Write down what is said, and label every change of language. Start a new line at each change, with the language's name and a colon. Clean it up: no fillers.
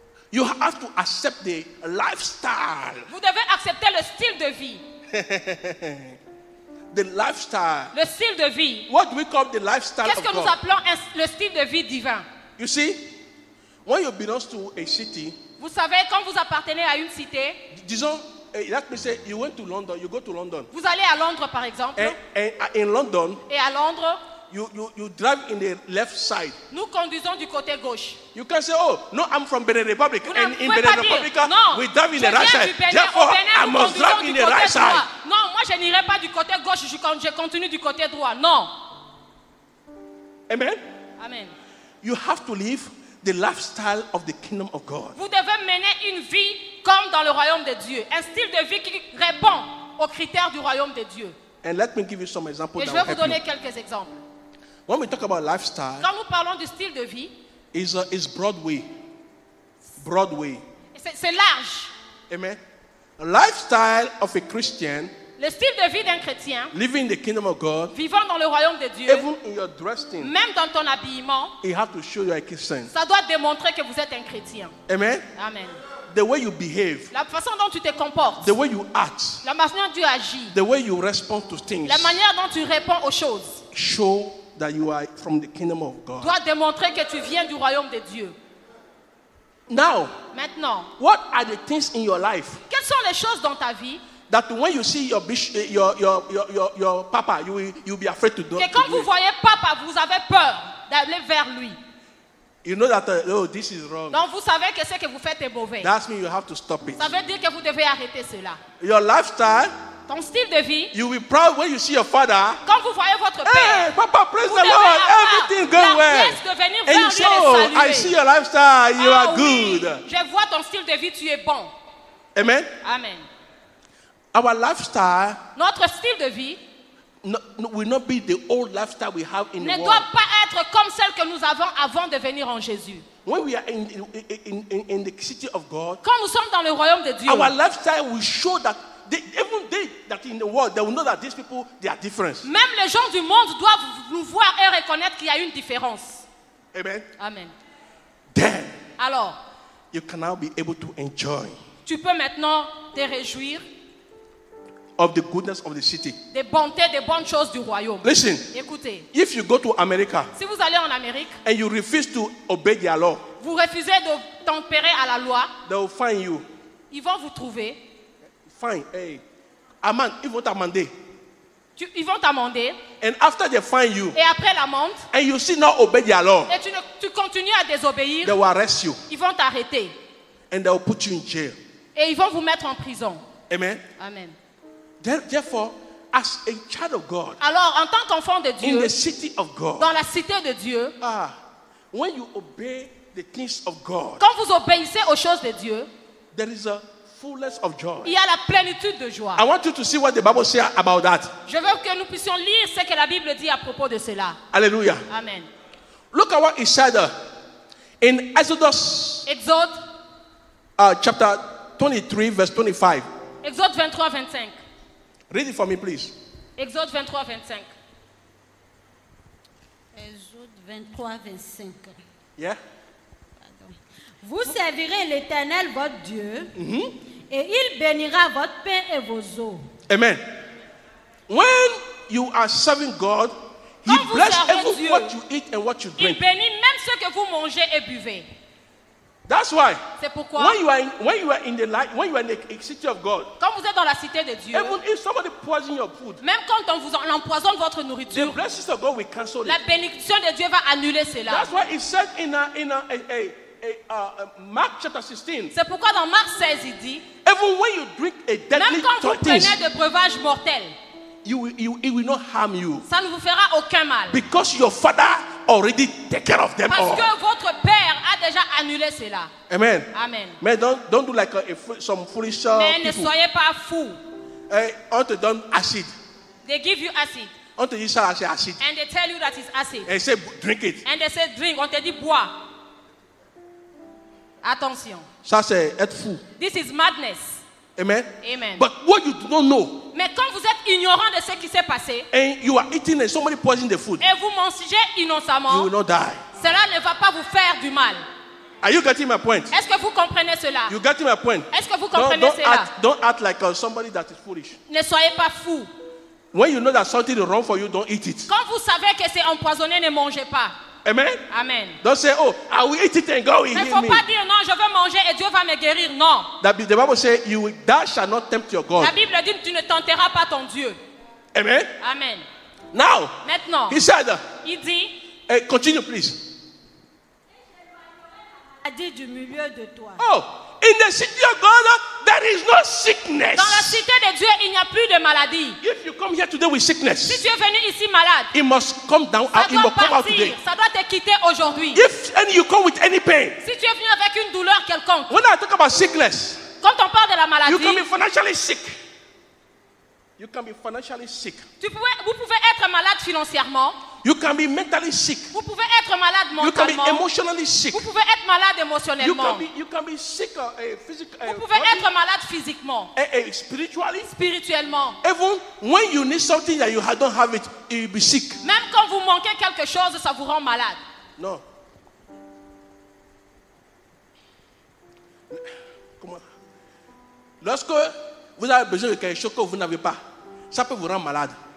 English: You have to accept the lifestyle.
French: Vous devez accepter le style de vie.
English: The lifestyle.
French: Le style de vie.
English: What do we call the lifestyle?
French: Qu'est-ce que
English: of
French: nous
English: God?
French: Appelons le style de vie divin?
English: You see, when you belong to a city.
French: Vous savez, quand vous appartenez à une cité. Disons,
English: let me say, you went to London. You go to London.
French: Vous allez à Londres, par exemple.
English: And in London.
French: Et à Londres.
English: You drive in the left side.
French: Nous conduisons du côté gauche.
English: You can say, oh, no, I'm from Benin Republic.
French: Vous
English: and in Benin Republic, we drive in the right side. Therefore, Benin, I must drive in the right side.
French: Non, moi, je n'irai pas du côté gauche. Je continue du côté droit. Non.
English: Amen.
French: Amen.
English: You have to live the lifestyle of the kingdom of God.
French: Vous devez mener une vie comme dans le royaume de Dieu. Un style de vie qui répond aux critères du royaume de Dieu.
English: And let me give you some examples.
French: Et je vais vous donner quelques exemples.
English: When we talk about lifestyle,
French: quand nous parlons du style de vie,
English: is Broadway. Broadway.
French: C'est large.
English: Amen. A lifestyle of a Christian.
French: Le style de vie d'un chrétien.
English: Living in the kingdom of God.
French: Vivant dans le royaume de Dieu.
English: Even in your dressing.
French: Même dans ton habillement.
English: You have to show you are a Christian.
French: Ça doit démontrer que vous êtes un chrétien.
English: Amen.
French: Amen.
English: The way you behave.
French: La façon dont tu te comportes.
English: The way you act.
French: La manière dont tu agis.
English: The way you respond to things.
French: La manière dont tu réponds aux choses.
English: Show that you are from the kingdom of God.
French: Doit démontrer que tu viens du royaume de Dieu.
English: Now,
French: maintenant,
English: what are the things in your life?
French: Quelles sont les choses dans ta vie?
English: That when you see your papa, you'll be afraid to do.
French: Et quand vous voyez papa, vous avez peur d'aller vers lui.
English: You know that this is wrong.
French: Donc vous savez que ce que vous faites est mauvais.
English: That means you have to stop it.
French: Ça veut dire que vous devez arrêter cela.
English: Your lifestyle.
French: Ton style de vie.
English: You will be proud when you see your father.
French: Quand vous voyez votre père.
English: Hey, papa, praise the Lord. Everything going well. And you say, oh, I see your lifestyle. You are good.
French: Oui. Je vois ton style de vie. Tu es bon.
English: Amen.
French: Amen.
English: Our lifestyle.
French: Notre style de vie.
English: Will not be the old lifestyle we have in the world.
French: Ne doit pas être comme celle que nous avons avant de venir en Jésus.
English: When we are in the city of God.
French: Quand nous sommes dans le royaume de Dieu.
English: Our lifestyle will show that. Even they that in the world, they will know that these people, they are different.
French: Même les gens du monde doivent nous voir et reconnaître qu'il y a une différence.
English: Amen.
French: Amen.
English: Then,
French: alors,
English: you can now be able to enjoy.
French: Tu peux maintenant te réjouir
English: of the goodness of the city.
French: Des bontés, des bonnes choses du royaume.
English: Listen.
French: Écoutez.
English: If you go to America,
French: si vous allez en Amérique,
English: and you refuse to obey the law,
French: vous refusez de tempérer à la loi,
English: they will find you.
French: Ils vont vous trouver.
English: Fine, hey,
French: amende. Ils vont t'amender. Ils vont t'amender.
English: And after they find you,
French: et après l'amende,
English: and you still not obey the law,
French: et tu continues à désobéir,
English: they will arrest you.
French: Ils vont t'arrêter.
English: And they will put you in jail.
French: Et ils vont vous mettre en prison.
English: Amen.
French: Amen.
English: Therefore, as a child of God,
French: alors en tant qu'enfant de Dieu,
English: in the city of God,
French: dans la cité de Dieu,
English: ah, when you obey the things of God,
French: quand vous obéissez aux choses de Dieu,
English: there is a fullness of joy.
French: Il y a la plénitude de joie.
English: I want you to see what the Bible says about that.
French: Je veux que nous puissions lire ce que la Bible dit à propos de cela. Alléluia.
English: Amen. Look at what it said In Exodus,
French: Exode,
English: chapter 23, verse 25.
French: Exode 23, 25.
English: Read it for me, please.
French: Exode 23, 25. Exode 23, 25.
English: Yeah.
French: Vous servirez l'Éternel, votre Dieu, et il bénira votre pain et vos eaux.
English: Amen. When you are serving God, he blesses every
French: Dieu,
English: what you eat and what you drink.
French: Il bénit même ce que vous mangez et buvez.
English: That's why.
French: C'est pourquoi.
English: When you are in the city of God.
French: Quand vous êtes dans la cité de Dieu.
English: Even if somebody poisons your food.
French: Même quand on vous empoisonne votre nourriture.
English: The blessings of God will cancel it.
French: La bénédiction de Dieu va annuler cela.
English: That's why it said in Mark chapter 16.
French: C'est pourquoi dans Marc 16 il dit.
English: Even when you drink a deadly tortoise.
French: Même quand vous prenez des breuvages mortels.
English: It will not harm you.
French: Ça ne vous fera aucun mal.
English: Because your father already take care of them
French: parce
English: all.
French: Parce que votre père a déjà annulé cela.
English: Amen.
French: Amen. Mais
English: don't do like some foolish
French: mais
English: people.
French: Mais ne soyez pas fou. On te donne acid.
English: They give you acid.
French: On te dit ça c'est acid.
English: And they tell you that it's acid. And say drink it. And they say drink.
French: On te dit bois. Attention. Ça c'est être fou.
English: This is madness. Amen.
French: Amen.
English: But what you don't know.
French: Mais quand vous êtes ignorant de ce qui s'est passé.
English: And you are eating and somebody poisoning the food.
French: Et vous mangez innocemment.
English: You will not die.
French: Cela ne va pas vous faire du mal.
English: Are you getting my point?
French: Est-ce que vous comprenez cela?
English: You getting my point?
French: Est-ce que vous comprenez cela?
English: Don't act like somebody that is foolish.
French: Ne soyez pas fou.
English: When you know that something is wrong for you, don't eat it.
French: Quand vous savez que c'est empoisonné, ne mangez pas.
English: Amen.
French: Amen.
English: Don't say, oh, I will eat it and God will heal me.
French: Mais faut pas dire non, je veux manger et Dieu va me guérir. Non.
English: The Bible says, thou shalt not tempt your God.
French: La Bible dit, tu ne tenteras pas ton Dieu.
English: Amen.
French: Amen.
English: Now.
French: Maintenant.
English: He said.
French: Il dit.
English: Continue, please.
French: A dit du milieu de toi.
English: Oh, in the city of God, there is no sickness.
French: Dans la cité de Dieu, il n'y a plus de maladie.
English: If you come here today with sickness,
French: si tu es venu ici malade,
English: it must come down.
French: Ça doit partir.
English: Come out today.
French: Ça doit te quitter aujourd'hui.
English: If and you come with any pain,
French: si tu es venu avec une douleur quelconque,
English: when I talk about sickness,
French: quand on parle de la maladie,
English: you can be financially sick. You can be financially sick.
French: Vous pouvez être malade financièrement.
English: You can be mentally sick.
French: Vous pouvez être malade mentalement.
English: You can be emotionally sick.
French: Vous pouvez être malade émotionnellement.
English: You can be sick physically.
French: Vous pouvez être malade physiquement. Spirituellement.
English: Even when you need something that you don't have it, you'll be sick.
French: Même quand vous manquez quelque chose, ça vous rend malade. Non. Lorsque vous avez besoin de quelque chose que vous n'avez pas, ça peut vous rendre malade.